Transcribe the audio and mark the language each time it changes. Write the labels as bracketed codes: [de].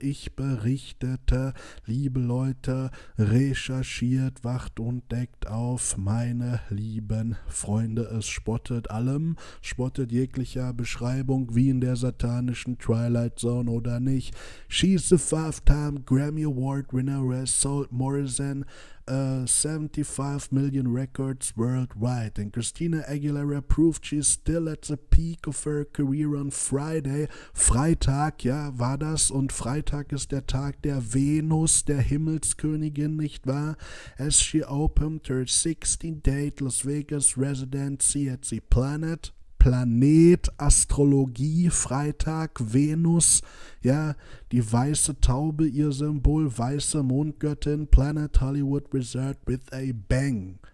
[de] Ich berichtete, liebe Leute, recherchiert, wacht und deckt auf, meine lieben Freunde. Es spottet allem, spottet jeglicher Beschreibung, wie in der satanischen Twilight Zone oder nicht. [en] She's a 5-time Grammy Award winner, Sold Morrison. 75 million records worldwide, and Christina Aguilera proved she's still at the peak of her career on Friday. [de] Freitag, ja, war das, und Freitag ist der Tag der Venus, der Himmelskönigin, nicht wahr? [en] As she opened her 16-day Las Vegas residency at the Planet Astrologie, [de] Freitag, Venus, ja, die weiße Taube, ihr Symbol, weiße Mondgöttin, [en] Planet Hollywood Resort with a bang.